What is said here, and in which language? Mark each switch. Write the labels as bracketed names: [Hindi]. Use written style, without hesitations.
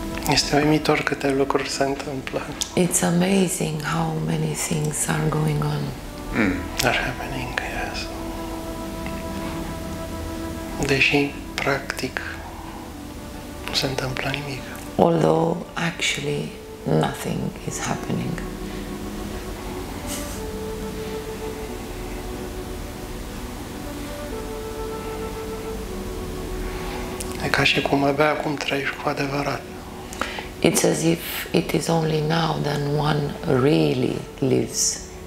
[Romanian] Este uimitor câte lucruri se întâmplă. [English] It's amazing how many things are going on. Are happening, yes. [Romanian] Deși, practic, nu se întâmplă nimic. [English] Although, actually, nothing is happening. [Romanian] E ca și cum abia acum trăiești cu adevărat. [English] It's as if it is only now that one really lives.